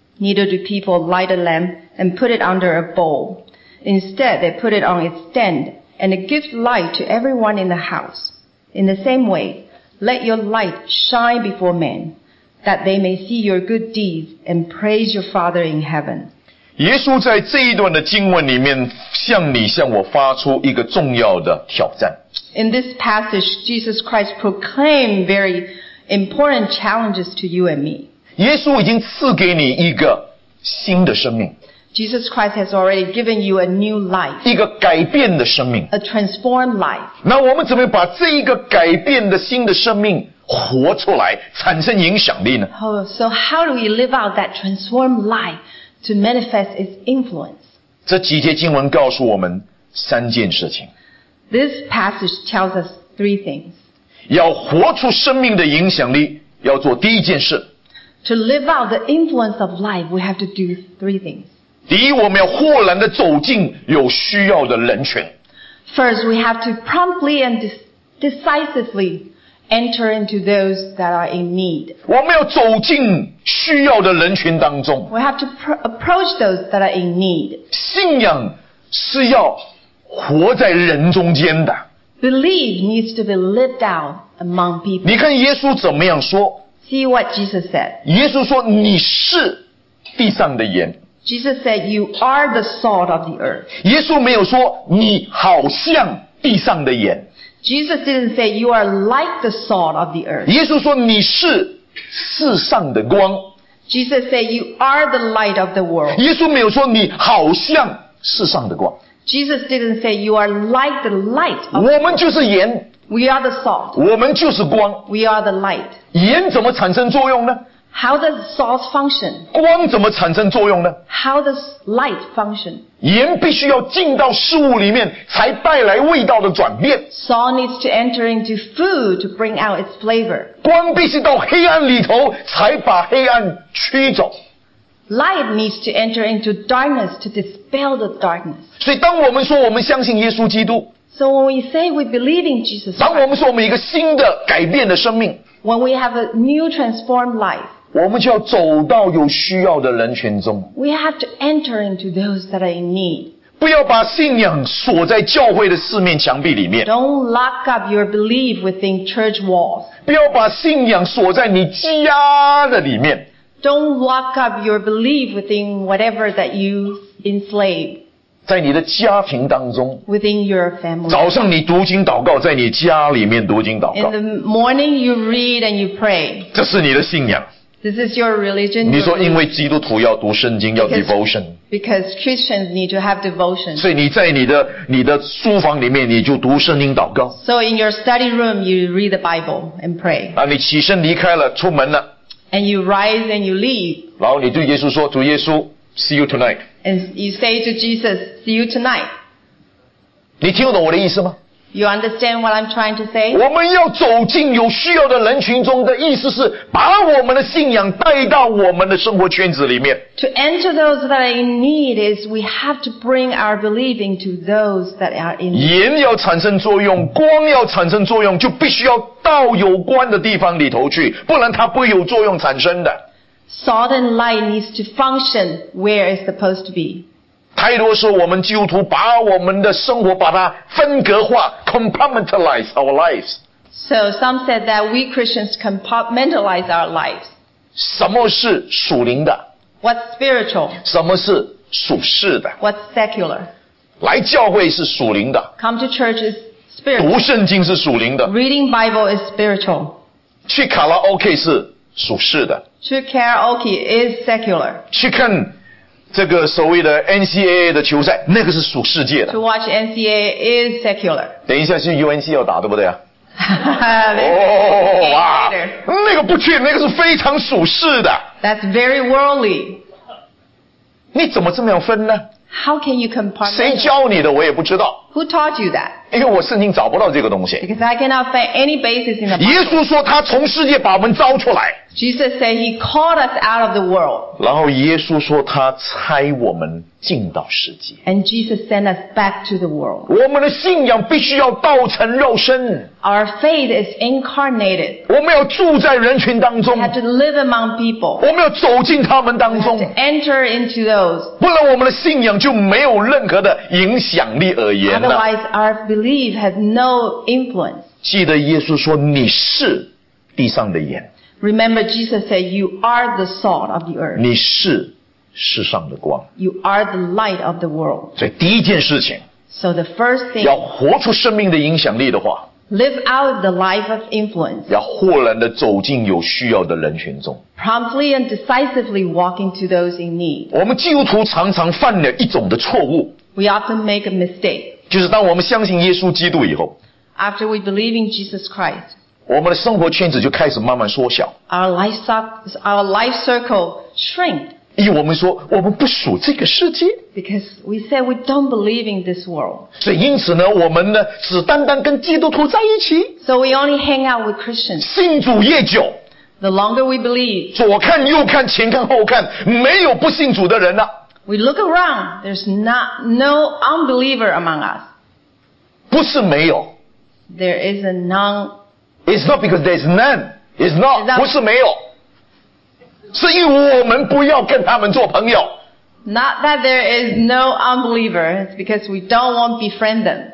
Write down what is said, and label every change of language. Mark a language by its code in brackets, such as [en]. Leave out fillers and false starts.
[en] Neither do people light a lamp and put it under a bowl. Instead, they put it on its stand, and it gives light to everyone in the house. In the same way, let your light shine before men. That they may see your good deeds and praise your Father in heaven. [zh] 耶稣在这一段的经文里面向你向我发出一个重要的挑战。 [en] In this passage, Jesus Christ proclaimed very important challenges to you and me. [zh] 耶稣已经赐给你一个新的生命。 [en] Jesus Christ has already given you a new life. [zh] 一个改变的生命。 [en] A transformed life. [zh] 那我们怎么把这一个改变的新的生命活出来，产生影响力呢？ [en] Oh, so how do we live out that transformed life to manifest its influence? [zh] 这几节经文告诉我们三件事情。 [en] This passage tells us three things. [zh] 要活出生命的影响力，要做第一件事。 [en] To live out the influence of life, we have to do three things. [zh] 第一，我们要豁然地走进有需要的人群。 [en] First, we have to promptly and decisively enter into those that are in need. [zh] 我们要走进需要的人群当中。 [en] We have to approach those that are in need. [zh] 信仰是要活在人中间的。 [en] Belief needs to be lived out among people. [zh] 你看耶稣怎么样说 [en] ？See what Jesus said. [zh] 耶稣说：“你是地上的盐。” [en] Jesus said, you are the salt of the earth. [zh] 耶稣没有说你好像地上的盐。 [en] Jesus didn't say, you are like the salt of the earth. [zh] 耶稣说你是世上的光。 [en] Jesus said, you are the light of the world. [zh] 耶稣没有说你好像世上的光。 [en] Jesus didn't say, you are like the light of the world. [zh] 我们就是盐。 [en] We are the salt. [zh] 我们就是光。 [en] We are the light. [zh] 盐怎么产生作用呢？ [en] How does salt function? [zh] 光怎么产生作用呢？ [en] How does light function? [zh] 盐必须要进到食物里面才带来味道的转变。 [en] Salt needs to enter into food to bring out its flavor. [zh] 光必须到黑暗里头才把黑暗驱走。 [en] Light needs to enter into darkness to dispel the darkness. [zh] 所以当我们说我们相信耶稣基督， [en] So when we say we believe in Jesus Christ, [zh] 当我们说我们一个新的改变的生命， [en] When we have a new transformed life, [zh] 我们就要走到有需要的人群中。 [en] We have to enter into those that are in need. [zh] 不要把信仰锁在教会的四面墙壁里面。 [en] Don't lock up your belief within church walls. [zh] 不要把信仰锁在你家的里面。 [en] Don't lock up your belief within whatever that you enslave. [zh] 在你的家庭当中。 [en] Within your family. [zh] 早上你读经祷告，在你家里面读经祷告。 [en] In the morning you read and you pray. [zh] 这是你的信仰。 [en] This is your religion. [zh] 你说因为基督徒要读圣经，要 devotion. [en] Because Christians need to have devotion. [zh] 所以你在你的书房里面，你就读圣经祷告。 [en] So in your study room you read the Bible and pray. [zh] 啊，你起身离开了，出门了。 [en] And you rise and you leave. [zh] 然后你对耶稣说，主耶稣。 [en] See you tonight. And you say to Jesus, "See you tonight." [zh] 你听懂我的意思吗？ [en] You understand what I'm trying to say? [zh] 我们要走进有需要的人群中的意思是把我们的信仰带到我们的生活圈子里面。 [en] To enter those that are in need is we have to bring our belief into those that are in need. [zh] 盐要产生作用，光要产生作用，就必须要到有关的地方里头去，不然它不会有作用产生的。 [en] Salt and light needs to function where it's supposed to be. [zh] 太多时候我们基督徒把我们的生活把它分隔化 [en] compartmentalize our lives. So some said that we Christians compartmentalize our lives. [zh] 什么是属灵的？ [en] What's spiritual? [zh] 什么是属世的？ [en] What's secular? [zh] 来教会是属灵的。 [en] Come to church is spiritual. [zh] 读圣经是属灵的。 [en] Reading Bible is spiritual. [zh] 去卡拉 OK 是属世的。 [en] To karaoke is secular. [zh] 去看这个所谓的 NCAA 的球赛，那个是属世界的。 [en] To watch NCAA is secular. [zh] 等一下是 UNC 要打，对不对啊？哦哇，那个不去，那个是非常属世的。 [en] That's very worldly. [zh] 你怎么这么样分呢？ [en] How can you compartmentalize? [zh] 谁教你的我也不知道。 [en] Who taught you that? [zh] 因为我圣经找不到这个东西。 [en] Because I cannot find any basis in the Bible. [zh] 耶稣说他从世界把我们招出来。 [en] Jesus said he called us out of the world. [zh] 然后耶稣说他差我们进到世界。 [en] And Jesus sent us back to the world. [zh] 我们的信仰必须要道成肉身。 [en] Our faith is incarnated. [zh] 我们要住在人群当中。 [en] We have to live among people. [zh] 我们要走进他们当中。 [en] We have to enter into those. [zh] 不然我们的信仰就没有任何的影响力而言。 [en] Otherwise, our belief has no influence. [zh] 记得耶稣说你是地上的盐。 [en] Remember, Jesus said, "You are the salt of the earth." [zh] 你是世上的光。 [en] You are the light of the world. [zh] 所以第一件事情。 [en] So the first thing. [zh] 要活出生命的影响力的话。 [en] Live out the life of influence. [zh] 要豁然地走进有需要的人群中。 [en] Promptly and decisively walk into those in need. [zh] 我们基督徒常常犯了一种的错误。 [en] We often make a mistake. [zh] 就是当我们相信耶稣基督以后。 [en] After we believe in Jesus Christ. [zh] 我们的生活圈子就开始慢慢缩小。 [en] Our life circle shrink. [zh] 因为我们说我们不属这个世界。 [en] Because we say we don't believe in this world. [zh] 所以因此呢我们呢只单单跟基督徒在一起。 [en] So we only hang out with Christians. [zh] 信主越久。 [en] The longer we believe, [zh] 左看右看前看后看没有不信主的人了。 [en] We look around, there's no unbeliever among us. [zh] 不是没有。 [en] There is a none. It's not because there's none. It's not, [zh] 不是没有。是因为我们不要跟他们做朋友。 [en] Not that there is no unbeliever, it's because we don't want to befriend them.